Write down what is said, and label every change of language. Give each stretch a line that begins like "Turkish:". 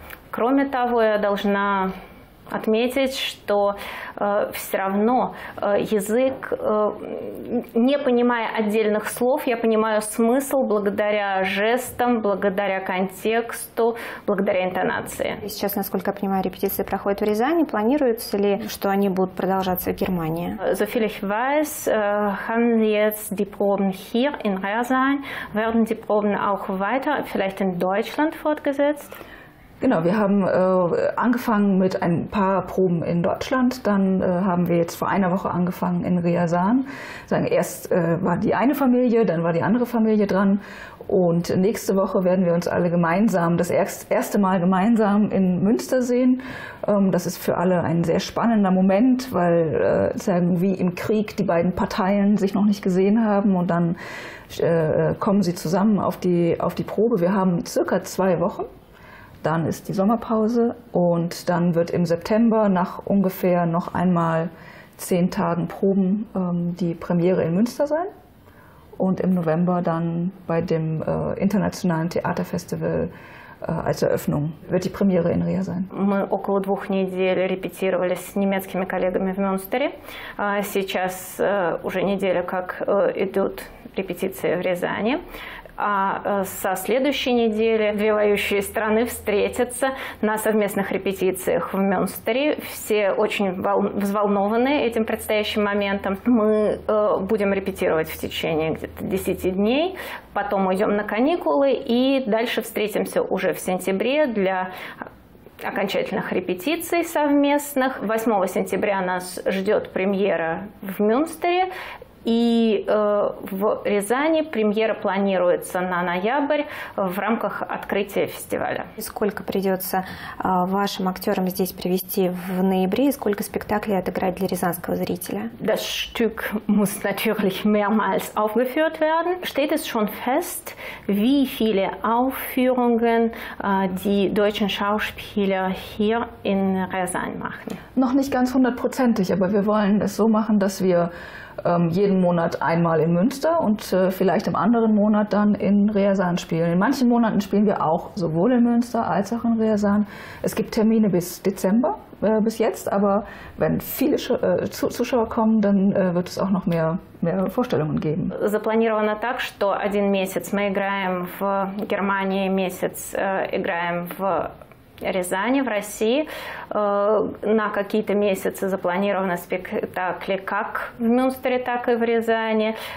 Russian: Кроме того, я должна отметить, что все равно язык, не понимая отдельных слов, я понимаю смысл благодаря жестам, благодаря контексту, благодаря интонации. И сейчас, насколько я понимаю, репетиции проходят в Рязани. Планируется ли, что они будут продолжаться в Германии?
German: So viel ich weiß, haben jetzt die Proben hier in Rязань. Werden die Proben auch weiter, vielleicht in Deutschland fortgesetzt? Genau, wir haben angefangen mit ein paar Proben in Deutschland, dann haben wir jetzt vor einer Woche angefangen in Rязань. Sagen, erst war die eine Familie, dann war die andere Familie dran und nächste Woche werden wir uns alle gemeinsam, das erste Mal gemeinsam in Münster sehen. Das ist für alle ein sehr spannender Moment, weil sagen, wie im Krieg die beiden Parteien sich noch nicht gesehen haben und dann kommen sie zusammen auf die Probe. Wir haben circa zwei Wochen. Dann ist die Sommerpause und dann wird im September nach ungefähr noch einmal 10 Tagen Proben die Premiere in Münster sein und im November dann bei dem internationalen Theaterfestival als Eröffnung wird die Premiere in Rio sein.
Russian: Мы около двух недель репетировали с немецкими коллегами в Мюнстере. Сейчас уже неделя, как идут репетиции в Рязани. А со следующей недели две воюющие страны встретятся на совместных репетициях в Мюнстере. Все очень взволнованы этим предстоящим моментом. Мы будем репетировать в течение где-то 10 дней, потом уйдем на каникулы и дальше встретимся уже в сентябре для окончательных репетиций совместных. 8 сентября нас ждет премьера в Мюнстере. И в Рязани премьера планируется на ноябрь в рамках открытия фестиваля. И сколько придется вашим актерам здесь привести в ноябре и сколько спектаклей отыграть для рязанского зрителя?
German: Das Stück muss natürlich mehrmals aufgeführt werden. Steht es schon fest, wie viele Aufführungen die deutschen Schauspieler hier in Rязань machen? Noch nicht ganz hundertprozentig, aber wir wollen es so machen, dass wir jeden Monat einmal in Münster und vielleicht im anderen Monat dann in Reersahn spielen. In manchen Monaten spielen wir auch sowohl in Münster als auch in Reersahn. Es gibt Termine bis Dezember bis jetzt, aber wenn viele Zuschauer kommen, dann wird es auch noch mehr Vorstellungen geben.
Russian: Запланировано так, что один месяц мы играем в Германии, месяц играем в Рязани, в России. На какие-то месяцы запланированы спектакли как в Мюнстере, так и в Рязани.